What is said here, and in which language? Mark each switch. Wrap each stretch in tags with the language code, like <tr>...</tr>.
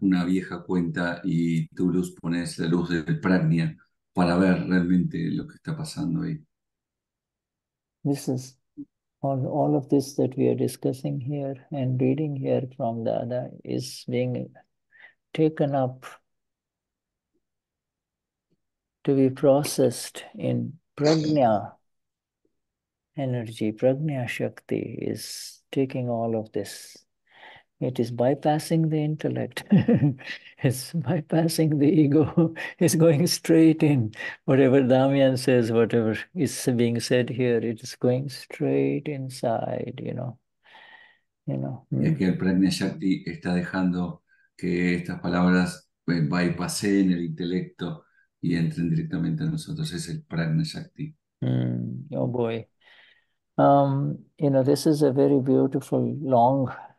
<es>una vieja cuenta y tú los pones la luz del pragna para ver realmente lo que está pasando ahí.</es> <en>This is all of this that we are discussing here and reading here from the other is being taken up to be processed in pragna energy. Pragna Shakti is taking all of this. It is bypassing the intellect. It's bypassing the ego. It's going straight in. Whatever Damian says, whatever is being said here, it is going straight inside, you know. You know.</en> <es>Y aquí el Pragna Shakti está dejando que estas palabras bypassen el intelecto y entren directamente a nosotros. Es el Pragna Shakti.</es> <en>Oh boy. You know, this is a very beautiful, long...</en>